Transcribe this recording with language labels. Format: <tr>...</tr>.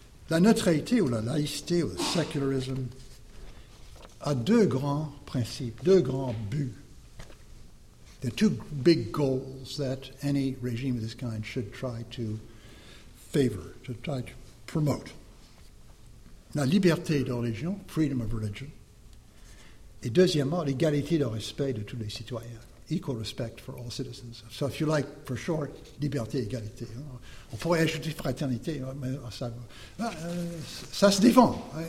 <fr>La neutralité ou la laïcité ou le secularisme a deux grands principes, deux grands buts.</fr> <en>The two big goals that any regime of this kind should try to favor, to try to promote.</en> <fr>La liberté de religion,</fr> <en>freedom of religion,</en> <fr>et deuxièmement, l'égalité de respect de tous les citoyens,</fr> <en>equal respect for all citizens. So if you like, for short, liberté, égalité.</en> <fr>On pourrait ajouter fraternité, mais ça se défend.</fr>